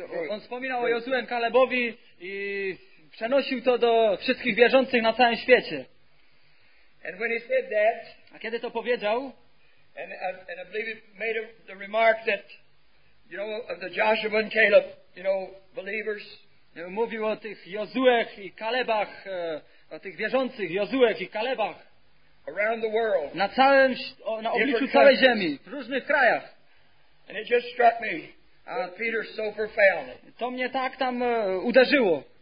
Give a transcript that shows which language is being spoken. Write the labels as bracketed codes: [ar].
[pl] On wspominał o Jozuem Kalebowi i przenosił to do wszystkich wierzących na całym świecie. [en] And when he said that, [pl] a kiedy to powiedział, [en] and I believe he made the remark that, you know, of the Joshua and Caleb, you know, believers. [pl] Mówił o tych Jozuech i Kalebach, o tych wierzących Jozuech i Kalebach. [en] Around the world. [pl] Na całym, na obliczu całej ziemi, w różnych krajach. [en] And it just struck me. Peter so profoundly. [pl] To mnie tak tam uderzyło.